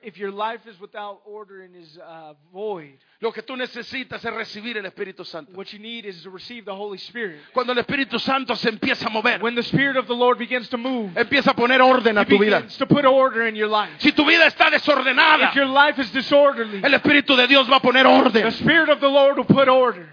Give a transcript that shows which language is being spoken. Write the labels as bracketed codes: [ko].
[en] if your life is without order and is void, [es] lo que tú necesitas es recibir el Espíritu Santo. [en] What you need is to receive the Holy Spirit. [es] Cuando el Espíritu Santo se empieza a mover, [en] when the Spirit of the Lord begins to move, [es] empieza a poner orden a tu vida. [en] Begins to put order in your life. [es] Si tu vida está desordenada, [en] if your life is disorderly, [es] el Espíritu de Dios va a poner orden. [en] The Spirit of the Lord will put order.